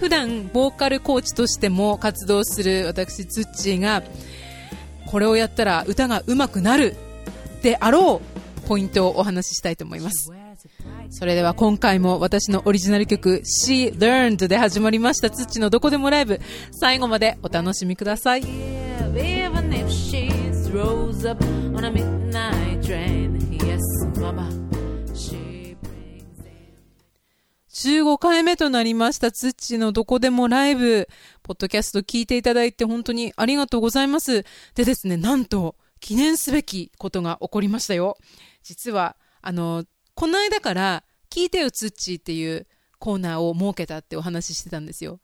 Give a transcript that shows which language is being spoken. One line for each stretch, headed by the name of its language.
Japanese: 普段ボーカルコーチとしても活動する私ツッチーが、これをやったら歌が上手くなるであろうポイントをお話ししたいと思います。それでは今回も私のオリジナル曲 She Learned で始まりましたツッチーのどこでもライブ、最後までお楽しみください。
English: Even if she throws up on a midnight train, yes, mama, she brings in.
Japanese: 15回目となりましたツッチのどこでもライブ。ポッドキャスト聞いていただいて本当にありがとうございます。でですね、なんと記念すべきことが起こりましたよ。実はこの間から聞いてよツッチっていうコーナーを設けたってお話ししてたんですよ。